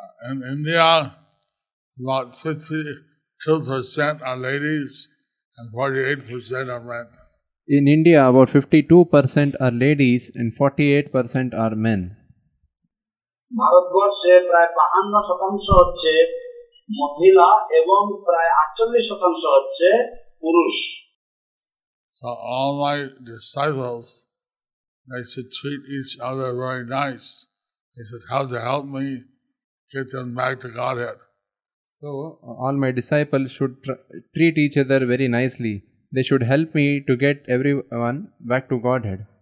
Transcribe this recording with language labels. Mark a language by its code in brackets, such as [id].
[en] In India, about 52% are ladies and 48% are men. In India, about 52% are ladies and 48% are men. [bn] ভারতবর্ষে প্রায় 52% হচ্ছে মহিলা এবং প্রায় 48% হচ্ছে পুরুষ. [en] So all my disciples, they should treat each other very nice. They should have to help me get them back to Godhead. So all my disciples should treat each other very nicely. They should help me to get everyone back to Godhead.